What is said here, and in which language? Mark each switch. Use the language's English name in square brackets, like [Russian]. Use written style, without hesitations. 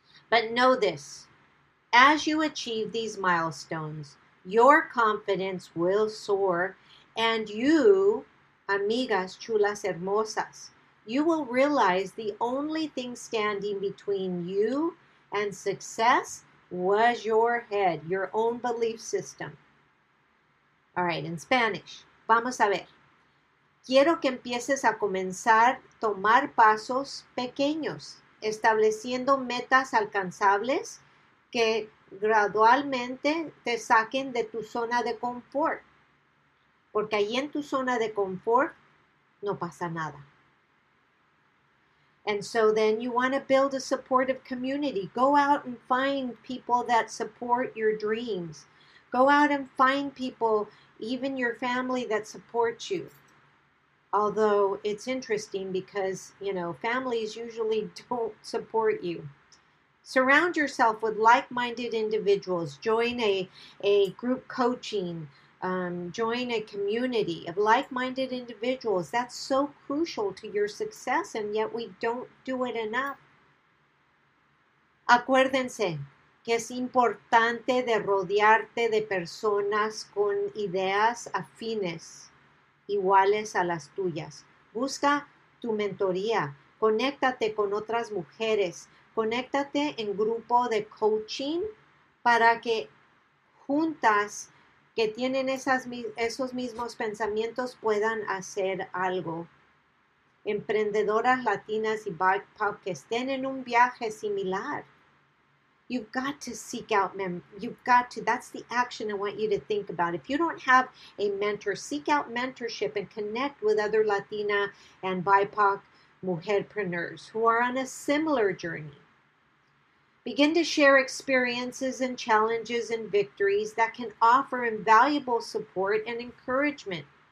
[English] But know this, as you achieve these milestones, your confidence will soar and you, [Spanish] amigas, chulas, hermosas, [English] you will realize the only thing standing between you and success was your head, your own belief system. All right, in Spanish, [Spanish] vamos a ver. Quiero que empieces a comenzar tomar pasos pequeños, estableciendo metas alcanzables que gradualmente te saquen de tu zona de confort. Porque ahí en tu zona de confort no pasa nada. [English] And so then you want to build a supportive community. Go out and find people that support your dreams. Go out and find people, even your family, that support you. Although it's interesting because, you know, families usually don't support you. Surround yourself with like-minded individuals. Join a group coaching. Join a community of like-minded individuals. That's so crucial to your success, and yet we don't do it enough. [Spanish] Acuérdense que es importante de rodearte de personas con ideas afines, iguales a las tuyas. Busca tu mentoría, conéctate con otras mujeres, conéctate en grupo de coaching para que juntas, que tienen esos mismos pensamientos, puedan hacer algo. Emprendedoras latinas y BIPOC que estén en un viaje similar. [English] You've got to seek out men. You've got to. That's the action I want you to think about. If you don't have a mentor, seek out mentorship and connect with other Latina and BIPOC mujerpreneurs who are on a similar journey. Begin to share experiences and challenges and victories that can offer invaluable support and encouragement.